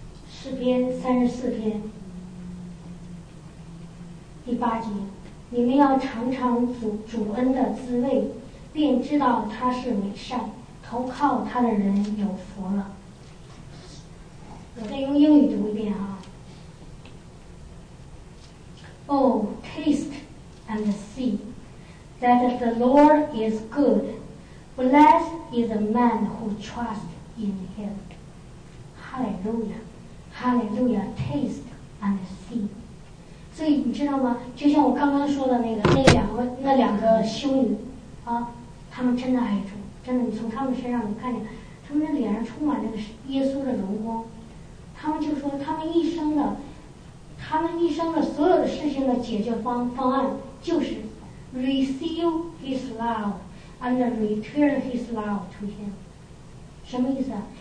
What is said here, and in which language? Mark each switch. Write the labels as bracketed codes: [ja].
[zh] 诗篇34篇第8节，你们要尝尝主恩的滋味，便知道他是美善，投靠他的人有福了。我再用英语读一遍啊。 [en] Oh, taste and see that the Lord is good. Blessed is the man who trusts in him. Hallelujah. [zh] 哈利路亚 [en] ，taste and see。 [zh] 所以你知道吗？就像我刚刚说的那两个修女啊，他们真的爱主，真的，你从他们身上你看见，他们的脸上充满那个耶稣的荣光。他们就说，他们一生的所有的事情的解决方案就是 [en] receive his love and return his love to him。 [zh] 什么意思啊？